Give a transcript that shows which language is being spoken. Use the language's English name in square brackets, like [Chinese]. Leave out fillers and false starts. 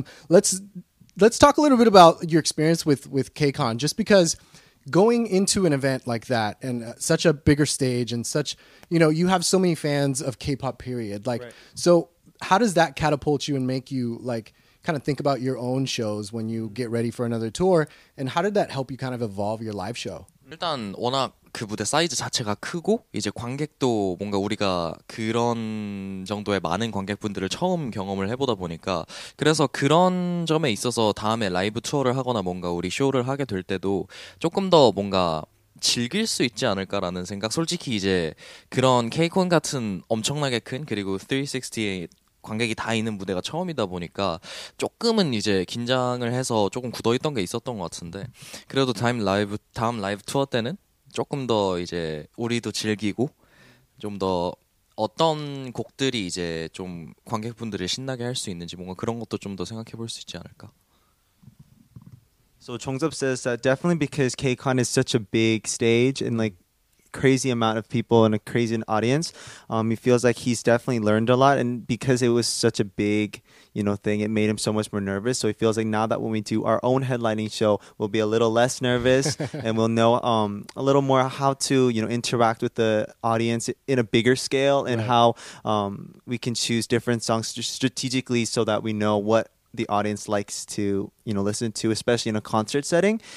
[English] Let's talk a little bit about your experience with KCON, just because going into an event like that and such a bigger stage and such, you know, you have so many fans of K-pop period. Like, right. So how does that catapult you and make you like kind of think about your own shows when you get ready for another tour? And how did that help you kind of evolve your live show? [Korean] 일단 워낙 그 무대 사이즈 자체가 크고 이제 관객도 뭔가 우리가 그런 정도의 많은 관객분들을 처음 경험을 해보다 보니까 그래서 그런 점에 있어서 다음에 라이브 투어를 하거나 뭔가 우리 쇼를 하게 될 때도 조금 더 뭔가 즐길 수 있지 않을까라는 생각 솔직히 이제 그런 K-콘 같은 엄청나게 큰 그리고 360 관객이 다 있는 무대가 처음이다 보니까 조금은 이제 긴장을 해서 조금 굳어있던 게 있었던 것 같은데 그래도 다음 라이브 투어 때는 조금 더 이제 우리도 즐기고 좀 더 어떤 곡들이 이제 좀 관객분들을 신나게 할 수 있는지 뭔가 그런 것도 좀 더 생각해 볼 수 있지 않을까. [English] So Jongseop says that definitely because KCON is such a big stage and like crazy amount of people and a crazy audience, he feels like he's definitely learned a lot, and because it was such a big, you know, thing, it made him so much more nervous. So he feels like now that when we do our own headlining show, we'll be a little less nervous and we'll know a little more how to, you know, interact with the audience in a bigger scale and right. how we can choose different songs strategically so that we know what the audience likes to, you know, listen to, especially in a concert setting.